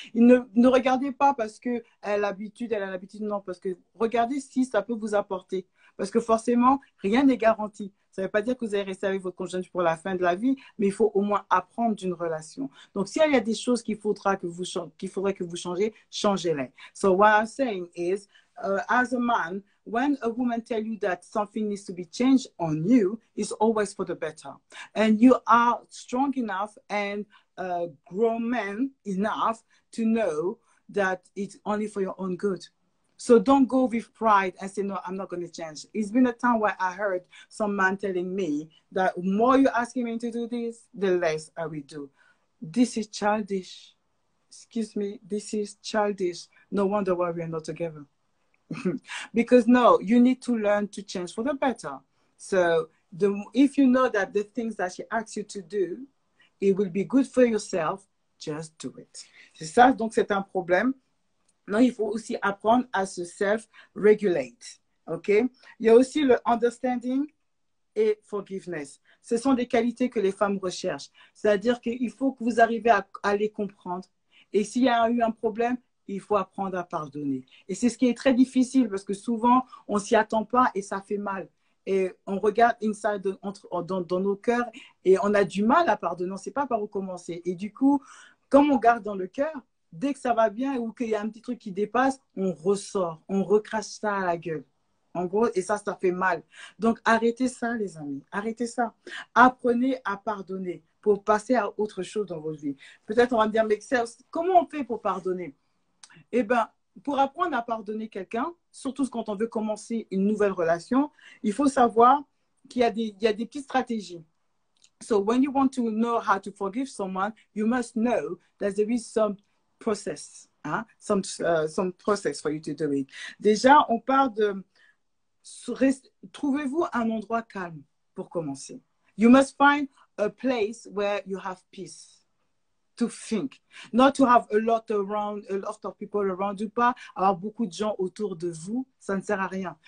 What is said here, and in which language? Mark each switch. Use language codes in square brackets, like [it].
[fr] Ne regardez pas parce qu'elle a l'habitude, non, parce que regardez si ça peut vous apporter. Parce que forcément, rien n'est garanti. Ça ne veut pas dire que vous allez rester avec votre conjoint pour la fin de la vie, mais il faut au moins apprendre d'une relation. Donc, s'il y a des choses qu'il faudrait que vous changez, changez-les. [en] So, what I'm saying is, as a man, when a woman tells you that something needs to be changed on you, it's always for the better. And you are strong enough and grown man enough to know that it's only for your own good. So don't go with pride and say, no, I'm not going to change. It's been a time where I heard some man telling me that the more you're asking me to do this, the less I will do. This is childish. Excuse me. This is childish. No wonder why we are not together. Because no, you need to learn to change for the better. So if you know that the things that she asks you to do, it will be good for yourself, just do it. [fr] C'est ça, donc c'est un problème. Non, il faut aussi apprendre à se self-regulate, ok? Il y a aussi le understanding et forgiveness. Ce sont des qualités que les femmes recherchent. C'est-à-dire qu'il faut que vous arriviez à les comprendre. Et s'il y a eu un problème, il faut apprendre à pardonner. Et c'est ce qui est très difficile parce que souvent, on ne s'y attend pas et ça fait mal. Et on regarde inside dans nos cœurs et on a du mal à pardonner. On ne sait pas par où commencer. Et du coup, comme on garde dans le cœur, dès que ça va bien ou qu'il y a un petit truc qui dépasse, on ressort, on recrache ça à la gueule. En gros, et ça, ça fait mal. Donc, arrêtez ça, les amis. Arrêtez ça. Apprenez à pardonner pour passer à autre chose dans votre vie. Peut-être on va me dire, mais comment on fait pour pardonner? Eh bien, pour apprendre à pardonner quelqu'un, surtout quand on veut commencer une nouvelle relation, il faut savoir qu'il y a des petites stratégies. [en] So, when you want to know how to forgive someone, you must know that there is some process, hein? Some process for you to do it. [fr] Déjà, on parle de trouvez-vous un endroit calme pour commencer. [en] You must find a place where you have peace to think, not to have a lot of people around you, [fr] pas avoir beaucoup de gens autour de vous, ça ne sert à rien.